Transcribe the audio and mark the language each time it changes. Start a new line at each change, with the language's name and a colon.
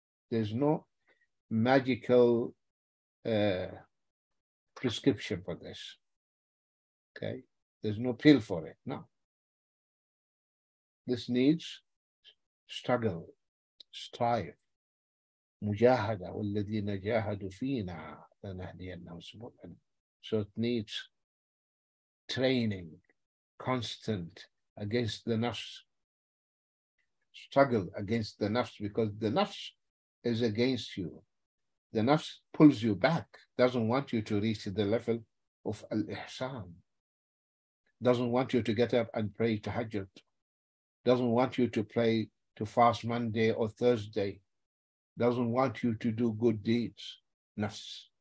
English: There's no magical prescription for this. Okay, there's no pill for it. No. This needs struggle, strive,
Arabic: مجاهدة والذين جاهدوا فينا لنهدينهم سبلنا.
English: So it needs training, constant against the nafs, struggle against the nafs, because the nafs is against you. The nafs pulls you back, doesn't want you to reach the level of al-ihsan, doesn't want you to get up and pray tahajjud, doesn't want you to pray to fast Monday or Thursday, doesn't want you to do good deeds, nafs.